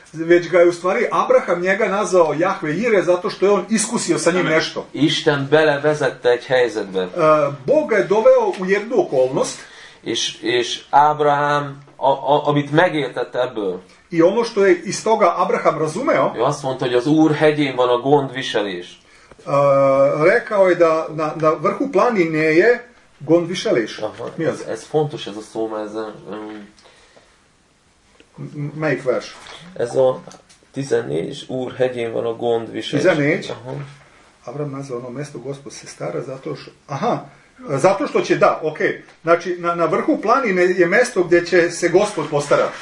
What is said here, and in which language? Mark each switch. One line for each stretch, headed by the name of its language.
Serbian: Već ga je u stvari Abraham njega nazvao Jahve Ire zato što je on iskusio sa njim nešto.
Hungarian: Isten bele vezette egy helyzetbe.
Serbian: Bog ga je doveo u jednu okolnost.
Hungarian: És Abraham, amit megértett ebből.
Serbian: I ono što je iz toga Abraham razumeo.
Hungarian: Jo, azt mondta, hogy az Úr hegyén van a gondviselés.
Serbian: Rekao je da na vrhu planine je gondviselés.
Hungarian: Ez fontos ez a szó, mert ez melyik vers? Ez a 14, Úr hegyén van a gondviselés.
Serbian: 14. Abraham nazva ono mesto, Gospod se stara zato što... Aha, zato što će, da, okej. Okay. Znači, na vrhu planine je mesto gdje će se Gospod postara.